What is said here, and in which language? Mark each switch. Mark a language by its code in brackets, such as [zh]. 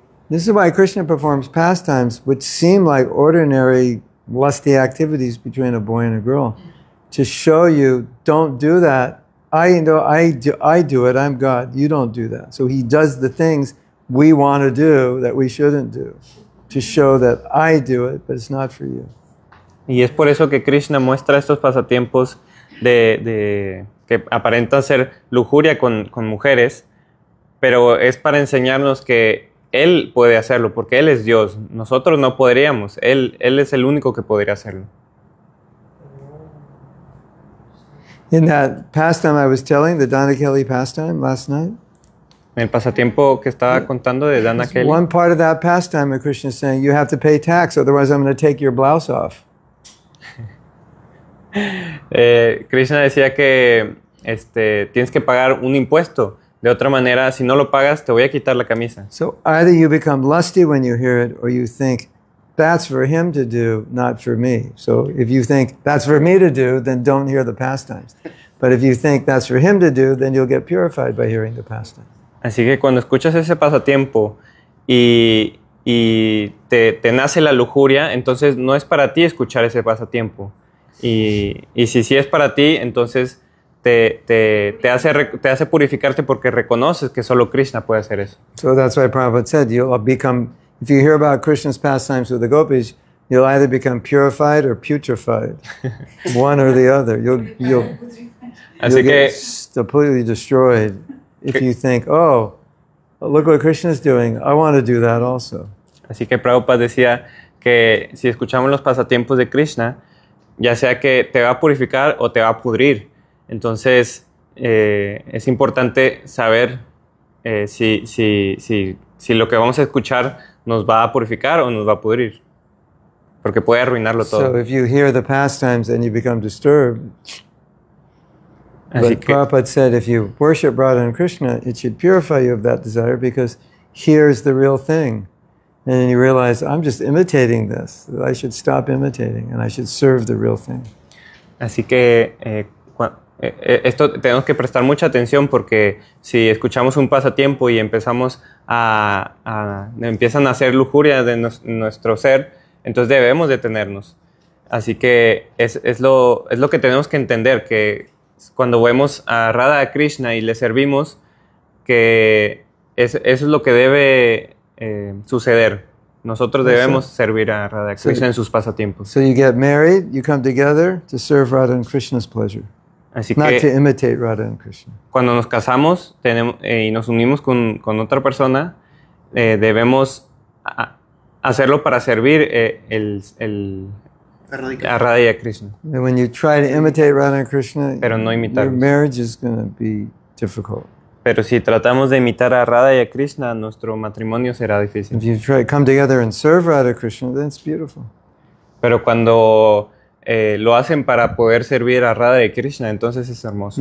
[en] This is why Krishna performs pastimes which seem like ordinary lusty activities between a boy and a girl, to show you, don't do that. I do it. I'm God. You don't do that. So he does the things we want to do that we shouldn't do, to show that I do it, but it's not for you. [es] Y es por eso que Krishna muestra estos pasatiempos de que aparentan ser lujuria con mujeres, pero es para enseñarnos que él puede hacerlo porque él es Dios. Nosotros no podríamos. Él es el único que podría hacerlo. [en] In that pastime I was telling, the Dhanakeli pastime last night. [es] El pasatiempo que estaba contando de Dhanakeli. [en] One part of that pastime, a Krishna is saying, you have to pay tax, otherwise I'm going to take your blouse off. [es] Krishna decía que tienes que pagar un impuesto. De otra manera, si no lo pagas, te voy a quitar la camisa. [en] So either you become lusty when you hear it, or you think, that's for him to do, not for me. So if you think that's for me to do, then don't hear the pastimes. But if you think that's for him to do, then you'll get purified by hearing the pastimes. [es] Así que cuando escuchas ese pasatiempo y te nace la lujuria, entonces no es para ti escuchar ese pasatiempo. Y si es para ti, entonces te hace purificarte porque reconoces que solo Krishna puede hacer eso. [en] So that's why Prabhupada said, if you hear about Krishna's pastimes with the gopis, you'll either become purified or putrefied. One or the other. You'll get completely destroyed if you think, oh, look what Krishna's doing. I want to do that also. [es] Así que Prabhupada decía que si escuchamos los pasatiempos de Krishna, ya sea que te va a purificar o te va a pudrir. Entonces, es importante saber si lo que vamos a escuchar nos va a purificar o nos va a pudrir, porque puede arruinarlo todo. [en] So if you hear the pastimes and you become disturbed. [es] Así [en] but [es] que [en] Prabhupada said if you worship Radha and Krishna, it should purify you of that desire because here's the real thing. And then you realize, I'm just imitating this. I should stop imitating and I should serve the real thing. [es] Así que esto tenemos que prestar mucha atención porque si escuchamos un pasatiempo y empiezan a hacer lujuria de nuestro ser, entonces debemos detenernos. Así que es lo que tenemos que entender, que cuando vemos a Radha Krishna y le servimos, que eso es lo que debe suceder. Nosotros debemos servir a Radha Krishna en sus pasatiempos. [en] So you get married, you come together to serve Radha and Krishna's pleasure. [es] Así [en] not [es] que [en] to imitate Radha and Krishna. [es] Cuando nos casamos y nos unimos con otra persona, debemos hacerlo para servir a Radha y a Krishna. [en] And when you try to imitate Radha and Krishna, [es] pero no imitarlos, [en] your marriage is going to be difficult. [es] Pero si tratamos de imitar a Radha y a Krishna, nuestro matrimonio será difícil. [en] If you try to come together and serve Radha and Krishna, then it's beautiful. [es] Pero cuando lo hacen para poder servir a Radha y Krishna, entonces es hermoso.